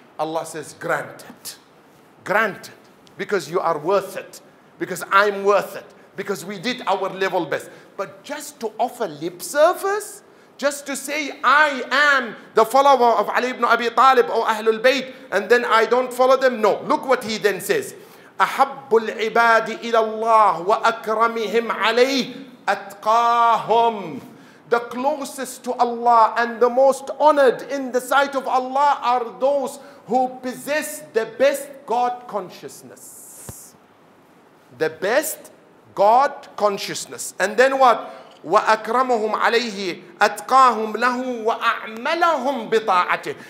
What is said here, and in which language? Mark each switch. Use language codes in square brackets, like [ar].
[en] Allah says, granted. Granted, because you are worth it, because I'm worth it, because we did our level best. But just to offer lip service, just to say, I am the follower of Ali ibn Abi Talib or Ahlul Bayt, and then I don't follow them? No. Look what he then says. [ar] أحب العباد إلى الله وأكرمهم عليه أتقاهم. [en] The closest to Allah and the most honored in the sight of Allah are those who possess the best God consciousness. The best God consciousness. And then what? [ar] وَأَكْرَمُهُمْ عَلَيْهِ أَتْقَاهُمْ لَهُ وَأَعْمَلَهُمْ بِطَاعَتِهِ.